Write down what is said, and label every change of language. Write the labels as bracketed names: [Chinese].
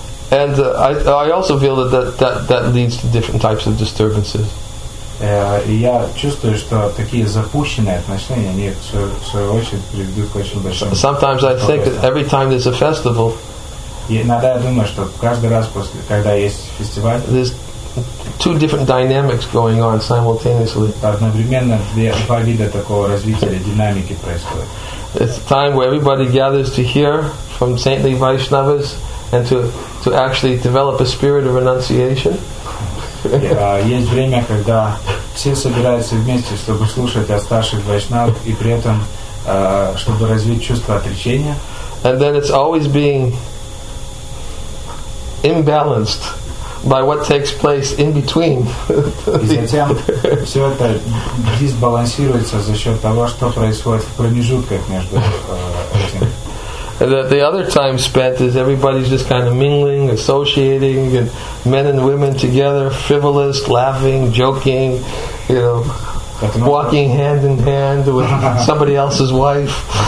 [English] And I also feel that leads to different types of disturbances. [Russian] Я чувствую, что такие запущенные отношения, они в свою очередь приведут к очень большим. [English] Sometimes I think that every time there's a festival. [Russian] Иногда я думаю, что каждый раз после, когда есть фестиваль. [English] There's two different dynamics going on simultaneously. [Russian] Одновременно два вида такого развития динамики происходит. [English] It's a time where everybody gathers to hear from saintly Vaishnavas and to actually develop a spirit of renunciation. [Russian] Есть время, когда все собираются вместе, чтобы слушать о старших Вайшнав и при этом чтобы развить чувство отречения. [English] And then it's always being imbalanced by what takes place in between. [Russian] И затем все это дисбалансируется за счет того, что происходит в промежутках между этим. [English] The other time spent is everybody's just kind of mingling, associating, and men and women together, frivolous, laughing, joking, you know, walking hand in hand with somebody else's wife.